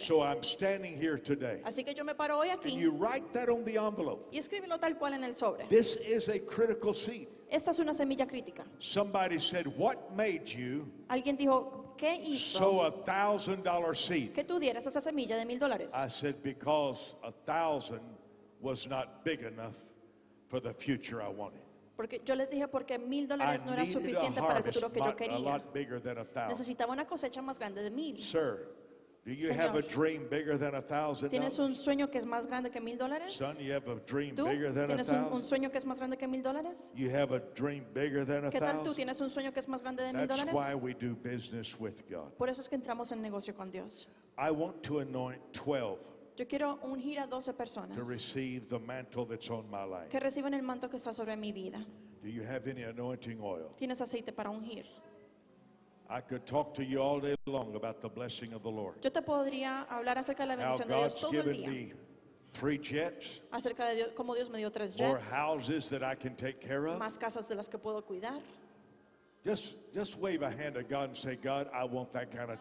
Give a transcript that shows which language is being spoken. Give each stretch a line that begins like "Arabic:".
English: So I'm standing here today.
Spanish: Así que yo me paro hoy aquí.
English: And you write that on the envelope.
Spanish: Y escríbelo tal cual en el sobre.
English: This is a critical seed.
Spanish: Esta es una semilla crítica.
English: Somebody said, what made you
Spanish: alguien dijo, ¿qué hizo
English: sow $1,000 seed?
Spanish: Que tú dieras esa semilla de mil dólares.
English: I said, because $1,000 was not big enough for the future I wanted.
Spanish: Porque yo les dije porque mil dólares no era suficiente para el futuro que yo quería.
English: A lot bigger than a thousand.
Spanish: Necesitaba una cosecha más grande de mil.
English: Sir, do you
Spanish: Señor,
English: have a dream bigger than a thousand?
Spanish: ¿Tienes un sueño que es más grande que mil dólares?
English: Son, you have a dream
Spanish: ¿tú?
English: Bigger than
Spanish: ¿tienes
English: a thousand?
Spanish: Un sueño que es más grande que mil dólares?
English: You have a dream bigger than a
Spanish: ¿qué tal
English: thousand?
Spanish: Tú tienes un sueño que es más grande de
English: that's
Spanish: mil dólares?
English: Why we do business with God.
Spanish: Por eso es que entramos en negocio con Dios.
English: I want to anoint 12.
Spanish: Yo quiero ungir a 12 personas
English: to receive the mantle that's on my life.
Spanish: Que reciban el manto que está sobre mi vida.
English: Do you have any anointing oil?
Spanish: ¿Tienes aceite para ungir?
English: I could talk to you all day long about the blessing of the Lord.
Spanish: Yo te podría hablar acerca de la bendición de Dios todo el día.
English: How God's given me three jets.
Spanish: Acerca de Dios, cómo Dios me dio tres jets.
English: More houses that I can take care of.
Spanish: Más casas de las que puedo cuidar.
English: Just wave a hand to God and say, God, I want that kind of